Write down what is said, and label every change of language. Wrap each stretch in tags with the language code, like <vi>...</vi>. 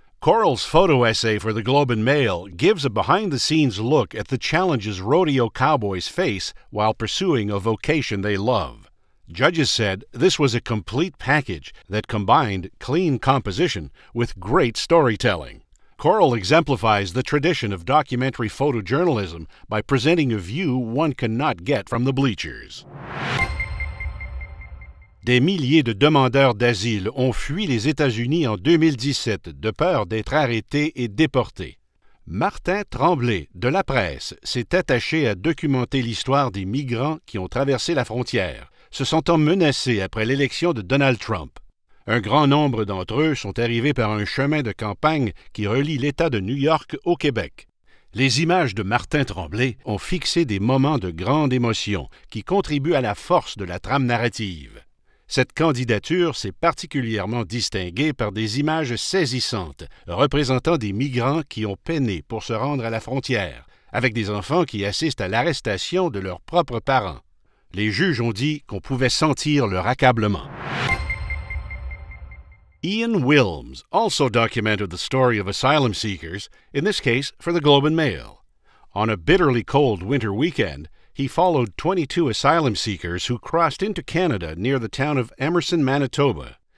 <en>Coral's photo essay for the Globe and Mail gives a behind-the-scenes look at the challenges rodeo cowboys face while pursuing a vocation they love. Judges said this was a complete package that combined clean composition with great storytelling. Coral exemplifies the tradition of documentary photojournalism by presenting a view one cannot get from the bleachers.</en> <fr>Des milliers de demandeurs d'asile ont fui les États-Unis en 2017 de peur d'être arrêtés et déportés. Martin Tremblay, de La Presse, s'est attaché à documenter l'histoire des migrants qui ont traversé la frontière, se sentant menacés après l'élection de Donald Trump. Un grand nombre d'entre eux sont arrivés par un chemin de campagne qui relie l'État de New York au Québec. Les images de Martin Tremblay ont fixé des moments de grande émotion qui contribuent à la force de la trame narrative. Cette candidature s'est particulièrement distinguée par des images saisissantes représentant des migrants qui ont peiné pour se rendre à la frontière, avec des enfants qui assistent à l'arrestation de leurs propres parents. Les juges ont dit qu'on pouvait sentir leur accablement.</fr> <en>Ian Wilms also documented the story of asylum seekers, in this case for the Globe and Mail. On a bitterly cold winter weekend, he followed 22 asylum seekers who crossed into Canada near the town of Emerson, Manitoba.</en>